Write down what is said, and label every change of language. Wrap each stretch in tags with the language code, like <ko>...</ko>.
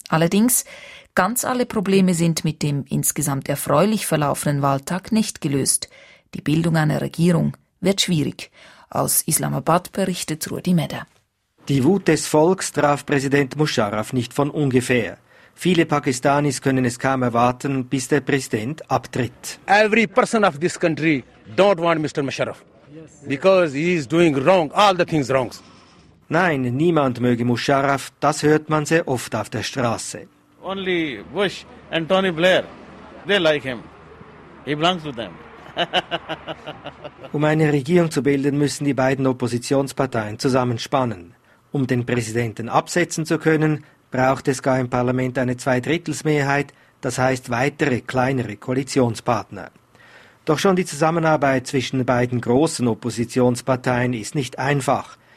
<de>Allerdings, ganz alle Probleme sind mit dem insgesamt erfreulich verlaufenden Wahltag nicht gelöst. Die Bildung einer Regierung wird schwierig. Aus Islamabad berichtet Rudi Medder. Die Wut des Volks traf Präsident Musharraf nicht von ungefähr. Viele Pakistanis können es kaum erwarten, bis der Präsident abtritt.</de> <en>Every person of this country don't want Mr. Musharraf, because he is doing wrong, all the things wrong.</en> <de>Nein, niemand möge Musharraf, das hört man sehr oft auf der Straße.</de> <en>Only Bush and Tony Blair, they like him. He belongs to them.</en> <de>Um eine Regierung zu bilden, müssen die beiden Oppositionsparteien zusammenspannen. Um den Präsidenten absetzen zu können, braucht es gar im Parlament eine Zweidrittelsmehrheit, das heißt weitere, kleinere Koalitionspartner. Doch schon die Zusammenarbeit zwischen beiden großen Oppositionsparteien ist nicht einfach.</de>